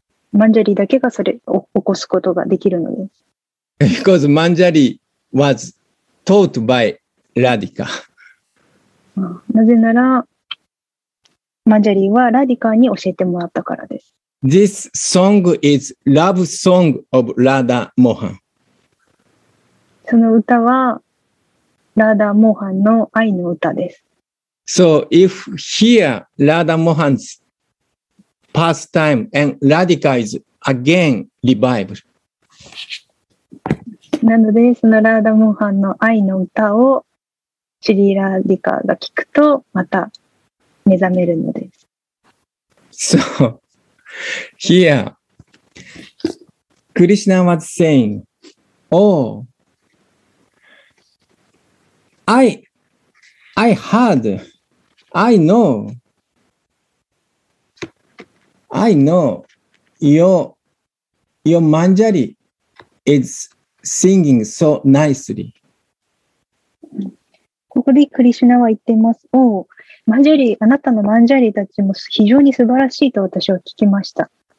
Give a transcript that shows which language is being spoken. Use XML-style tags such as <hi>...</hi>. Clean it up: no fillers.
<ja>マンジャリだけがそれを起こすことができるのです。</ja> <en>Because マンジャリ was taught by Radhika.</en> <ja>なぜなら、マンジャリはラディカに教えてもらったからです。</ja> <en>This song is love song of Radha Mohan.</en> <ja>その歌は、ラダ・モハンの愛の歌です。</ja> <en>So if here Radha Mohan's pastime and radical is again revived.</en> <ja>なのでそのラーダモハンの愛の歌をシリーラーディカが聴くとまた目覚めるのです。</ja> <en>So here Krishna was saying, Oh, I heard, I know your Manjari is singing so nicely.</en> <ja>ここでクリシュナは言っています。おお、マンジャリ、あなたのマンジャリたちも非常に素晴らしいと私は聞きました。</ja>